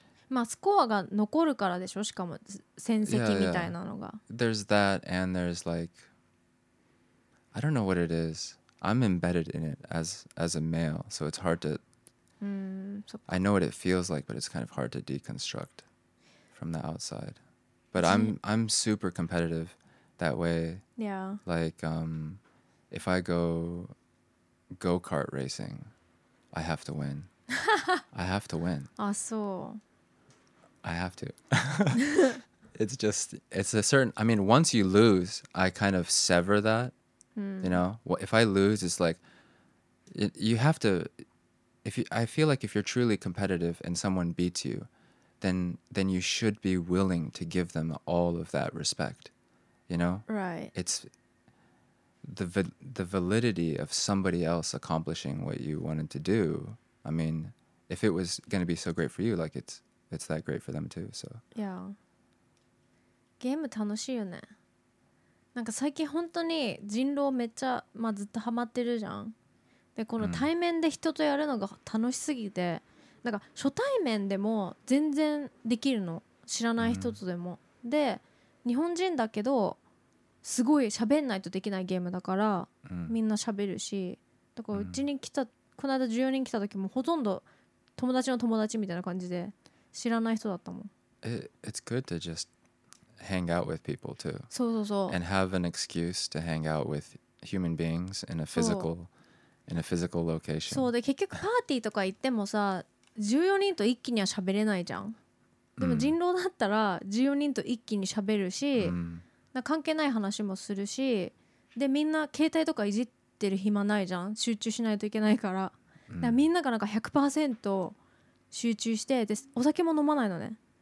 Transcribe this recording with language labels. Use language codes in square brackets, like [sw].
[ja] まあスコアが残るからでしょ。しかも戦績みたいなのが。 [en] There's that, and there's like, I don't know what it is. I'm embedded in it as a male, so it's hard to. I know what it feels like, but it's kind of hard to deconstruct from the outside. But I'm super competitive that way. Yeah. Like, if I go go-kart racing, I have to win. I have to win. Ah, so. I have to. Once you lose, I kind of sever that. You know, if I lose, it's like, you have to. I feel like if you're truly competitive and someone beats you, then you should be willing to give them all of that respect, you know? Right. It's the validity of somebody else accomplishing what you wanted to do. I mean, if it was going to be so great for you, like it's that great for them too, so. Yeah. [ja] ゲーム楽しいよね。なんか最近本当に人狼めっちゃ、まあ、ずっとハマってるじゃん。でこの対面で人とやるのが楽しすぎて、なんか初対面でも全然できるの、知らない人とでも。で日本人だけどすごい喋んないとできないゲームだから、みんな喋るし、だからうちに来た、この間14人来た時もほとんど友達の友達みたいな感じで、知らない人だったもん。 [en] It's good to just hang out with people too. [ja] そうそうそう。 [en] And have an excuse to hang out with human beings in a physicalIn a physical location. [ja] そうで結局パーティーとか行ってもさ、14人と一気には喋れないじゃん。でも人狼だったら14人と一気に喋るし、な関係ない話もするし、でみんな携帯とかいじってる暇ないじゃん。集中しないといけないから、だからみんながなんか 100% 集中して、でお酒も飲まないのね。